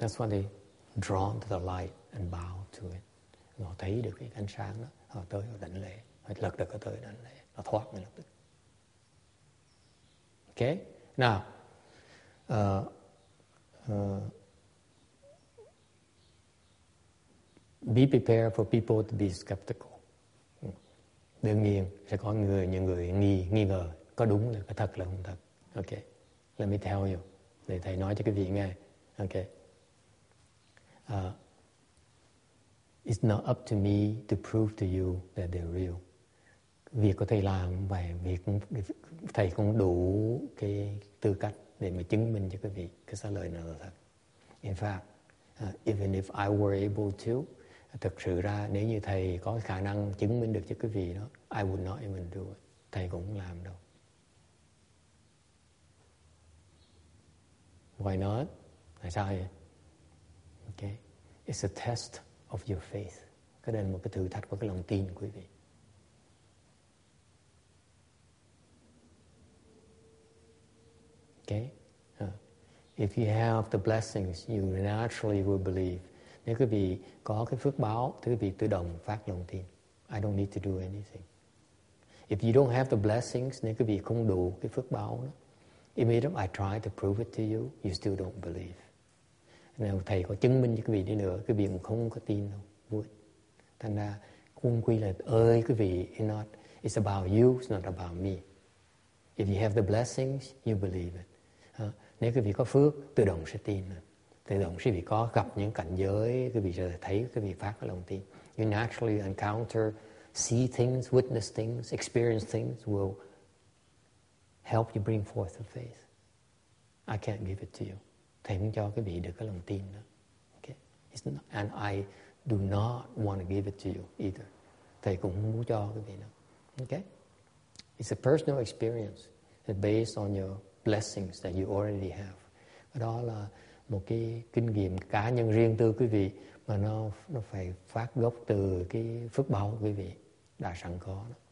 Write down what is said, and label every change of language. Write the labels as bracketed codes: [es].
[en] That's why they drawn to the light and bow to it. [vi] Họ thấy được cái ánh sáng đó. Họ tới họ đảnh lễ. Họ lật được cái tới đảnh lễ. Họ thoát ngay lập tức. [en] Okay. Now, be prepared for people to be skeptical. [vi] Đương nhiên sẽ có những người nghi ngờ có đúng là có thật là không thật. [en] Okay. Let me tell you. [vi] Để thầy nói cho quý vị nghe. [en] Okay. It's not up to me to prove to you that they're real. [vi] Việc của thầy làm vậy, việc thầy cũng đủ cái tư cách để mà chứng minh cho quý vị cái xá lợi này là thật. [en] In fact, even if I were able to, [vi] thực sự ra nếu như thầy có khả năng chứng minh được cho quý vị đó, [en] I would not even do it. [vi] Thầy cũng không làm đâu. [en] Why not? [vi] Tại sao vậy? [en] Okay. It's a test of your faith. [vi] Cái đây là một cái thử thách của cái lòng tin của quý vị. [en] Okay. If you have the blessings, you naturally will believe. [vi] Nếu quý vị có cái phước báo, thì quý vị tự động phát lòng tin. [en] I don't need to do anything. If you don't have the blessings, [vi] nếu quý vị không đủ cái phước báo đó, [en] even if I try to prove it to you, you still don't believe. [vi] Nếu thầy có chứng minh cho quý vị đi nữa, quý vị cũng không có tin đâu. [en] Thành ra, [vi] cung quy là ơi quý vị, [en] it's about you, it's not about me. If you have the blessings, you believe it. [vi] Nếu quý vị có phước, tự động sẽ tin. Tự động quý vị có gặp những cảnh giới, quý vị sẽ thấy, quý vị phát lòng tin. [en] You naturally encounter, see things, witness things, experience things will help you bring forth the faith. I can't give it to you. [vi] Thầy không cho quý vị được cái lòng tin nữa. [en] Okay? It's not, and I do not want to give it to you either. [vi] Thầy cũng không muốn cho quý vị nữa. [en] Okay? It's a personal experience based on your blessings that you already have. [vi] Đó là một cái kinh nghiệm cá nhân riêng tư quý vị, mà nó phải phát gốc từ cái phước báo quý vị đã sẵn có.